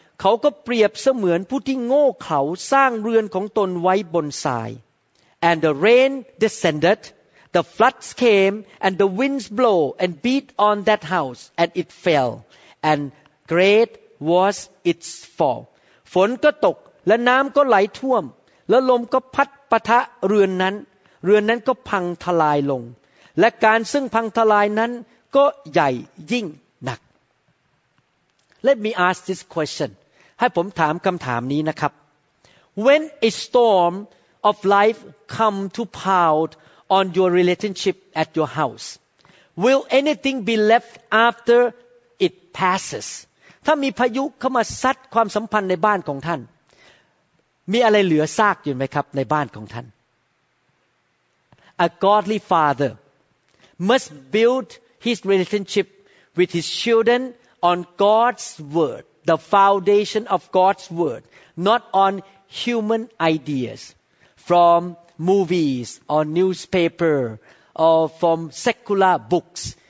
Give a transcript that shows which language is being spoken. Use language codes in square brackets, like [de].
[th] เขาก็เปรียบเสมือนผู้ที่โง่เขลาสร้างเรือนของตนไว้บนทราย [en] And the rain descended, the floods came, and the winds blow and beat on that house, and it fell, and great was its fall. [th] ฝนก็ตกและน้ำก็ไหลท่วมและลมก็พัดปะทะเรือนนั้นเรือนนั้นก็พังทลายลงและการซึ่งพังทลายนั้นก็ใหญ่ยิ่งหนัก [en] Let me ask this question. [th] ให้ผมถามคำถามนี้นะครับ [en] When a storm of life come to pound on your relationship at your house, will anything be left after it passes? [th] ถ้ามีพายุเข้ามาซัดความสัมพันธ์ในบ้านของท่าน [en] มีอะไรเหลือซากอยู่ไหมครับในบ้านของท่าน A godly father must build his relationship with his children on God's wordThe foundation of God's word, not on human ideas from movies or newspaper or from secular books.